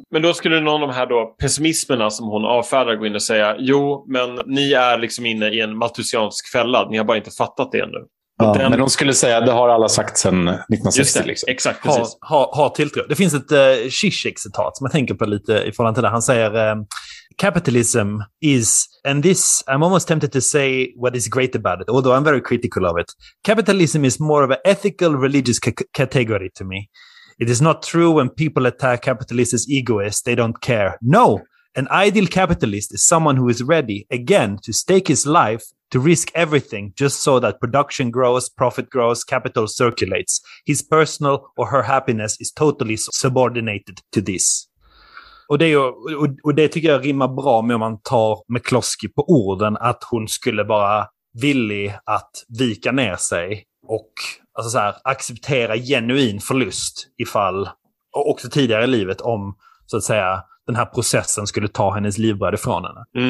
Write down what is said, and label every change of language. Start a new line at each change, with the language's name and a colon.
Swedish: Men då skulle någon av de här då pessimismerna som hon avfärdar gå in och säga, jo, men ni är liksom inne i en malthusiansk fälla. Ni har bara inte fattat det ännu. Ja, men de skulle säga, det har alla sagt sedan 1960. Just det, liksom. Exakt, precis. Ha tilltro. Det finns ett Zizek-citat som jag tänker på lite i förhållande till det. Han säger,
English: capitalism is, and this, I'm almost tempted to say what is great about it, although I'm very critical of it. Capitalism is more of an ethical religious category to me. It is not true when people attack capitalists as egoists, they don't care. No, an ideal capitalist is someone who is ready, again, to stake his life, to risk everything just so that production grows, profit grows, capital circulates. His personal or her happiness is totally subordinated to this.
Swedish: Och det tycker jag rimmar bra med om man tar McCloskey på orden, att hon skulle vara villig att vika ner sig och, alltså så här, acceptera genuin förlust ifall, och också tidigare i livet, om så att säga den här processen skulle ta hennes livbröd ifrån henne.